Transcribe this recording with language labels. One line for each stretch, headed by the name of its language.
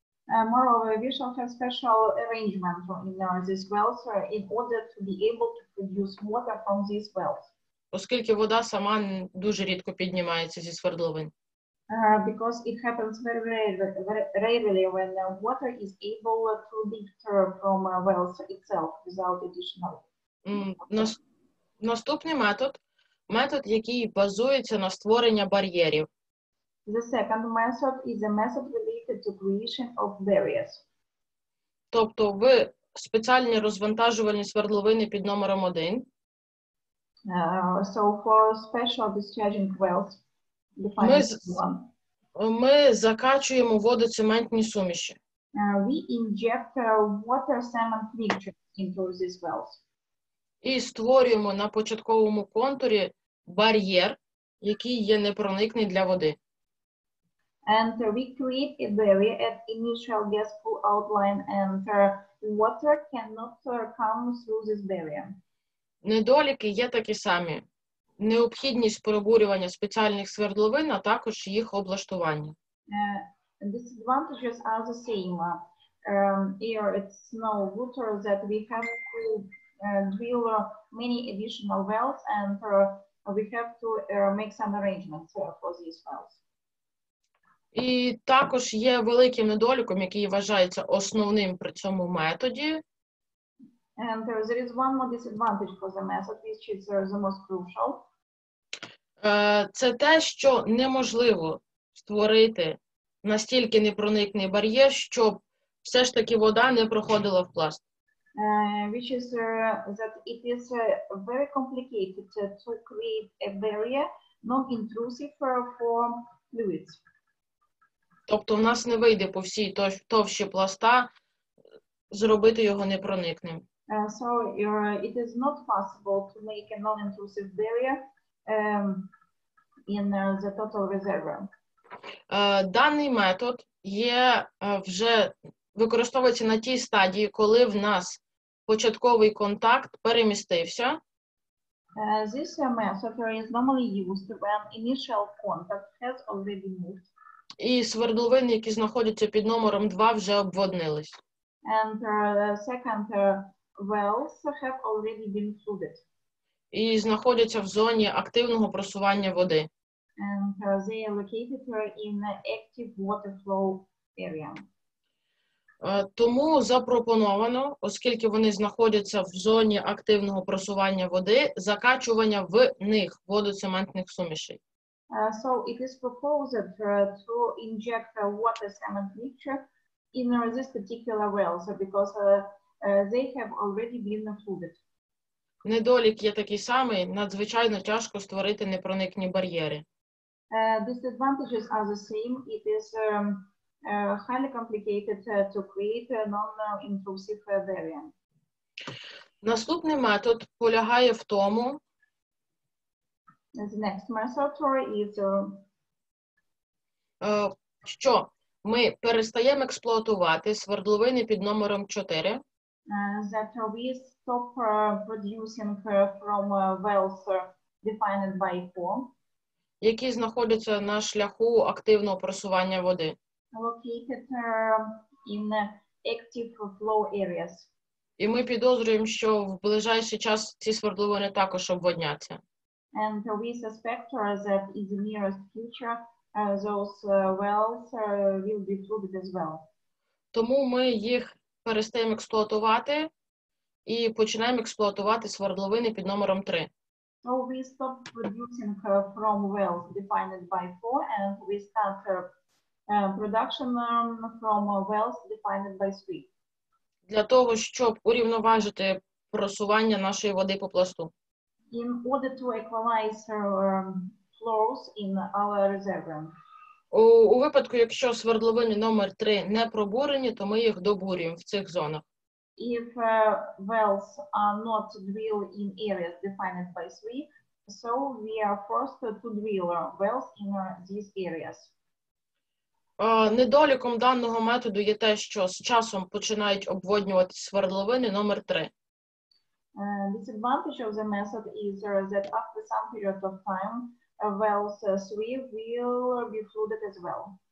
English: Moreover, we shall have special arrangement in these wells in order to be able to produce water from these wells.
Ukrainian: Оскільки вода сама дуже рідко піднімається зі свердловин.
English: Because it happens very rarely when water is able to lift from wells itself without additional.
Ukrainian: Наступний метод – метод, який базується на створенні бар'єрів.
English: The second method is a method related to creation of barriers.
Ukrainian: Тобто ви спеціальні розвантажувальні свердловини під номером 1.
English: So for special discharging wells,
Ukrainian: ми закачуємо водоцементні суміші.
English: We inject water cement mixture into these wells.
Ukrainian: І створюємо на початковому контурі бар'єр, який є непроникний для води.
English: And we create a barrier at initial gas pool outline and water cannot come through this barrier.
Ukrainian: Недоліки є такі самі. Необхідність пробурювання спеціальних свердловин, а також їх облаштування.
English: Disadvantages are the same. Here it's no water that we have to drill many additional wells and we have to make some arrangements for these wells.
Ukrainian: І також є великим недоліком, який вважається основним при цьому методі.
English: And there is one more disadvantage for the method, which is the most crucial.
Ukrainian: Це те, що неможливо створити настільки непроникний бар'єр, щоб все ж таки вода не проходила в пласт.
English: Which is that it is very complicated to create a barrier non-intrusive for fluids.
Ukrainian: Тобто в нас не вийде по всій товщі пласта зробити його непроникним.
English: So it is not possible to make a non-intrusive barrier in the total reservoir.
Ukrainian: Даний метод є вже використовується на тій стадії, коли в нас початковий контакт перемістився.
English: This method is normally used when initial contact has already moved.
Ukrainian: І свердловини, які знаходяться під номером 2, вже обводнились.
English: And second wells have already been flooded.
Ukrainian: І знаходяться в зоні активного просування води.
English: And they are located in active water flow area.
Ukrainian: Тому запропоновано, оскільки вони знаходяться в зоні активного просування води, закачування в них водоцементних сумішей.
English: So it is proposed to inject water cement mixture in this particular well, so because they have already been flooded.
Ukrainian: Недолік є такий самий, надзвичайно тяжко створити непроникні бар'єри.
English: Disadvantages are the same. It is highly complicated to create a non-intrusive variant.
Ukrainian: Наступний метод полягає в тому,
English: the next method is,
Ukrainian: що ми перестаємо експлуатувати свердловини під номером 4.
English: That we stop producing from wells defined by 4.
Ukrainian: Які знаходяться на шляху активного просування води.
English: Located in active flow areas.
Ukrainian: І ми підозрюємо, що в ближайший час ці свердловини також обводняться.
English: And we suspect that in the nearest future those wells will be flooded as well.
Ukrainian: Тому ми їх перестаємо експлуатувати і починаємо експлуатувати свердловини під номером 3.
English: So we stop producing from wells defined by 4 and we start production from wells defined by 3.
Ukrainian: Для того, щоб урівноважити просування нашої води по пласту.
English: In order to equalize flows in our reservoir.
Ukrainian: У випадку, якщо свердловини номер 3 не пробурені, то ми їх добурюємо в цих зонах.
English: If wells are not drilled in areas defined by 3, so we are forced to drill wells in these areas.
Ukrainian: Недоліком даного методу є те, що з часом починають обводнювати свердловини номер 3.
English: Disadvantage of the method is that after some period of time, wells 3 will be flooded as well.